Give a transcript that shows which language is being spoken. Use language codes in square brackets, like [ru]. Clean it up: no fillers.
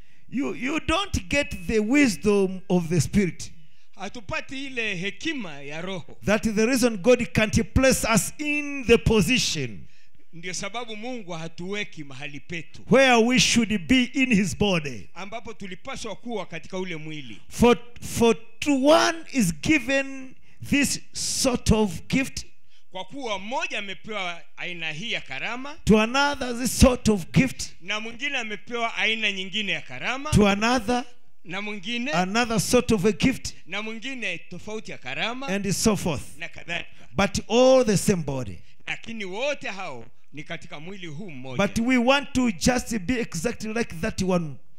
[en] You don't get the wisdom of the spirit. [sw] Hatupati ile hekima ya roho. [en] That is the reason God can't place us in the position. [sw] Ndiyo sababu Mungu hatuweki mahali petu. [en] Where we should be in his body. [sw] Ambapo tulipaswa kuwa katika ule mwili. [en] For to one is given this sort of gift. [sw] Kwa kuwa mmoja amepewa aina hii ya karama. [en] To another this sort of gift. [sw] Na mwingine amepewa aina nyingine ya karama. [en] To another. [sw] Na mwingine. [en] Another sort of a gift. [sw] Na mwingine tofauti ya karama. [en] And so forth. [sw] Na kadhalika. [en] But all the same body. [sw] Lakini wote hao ni katika mwili huu mmoja. [en] But we want to just be exactly like that one.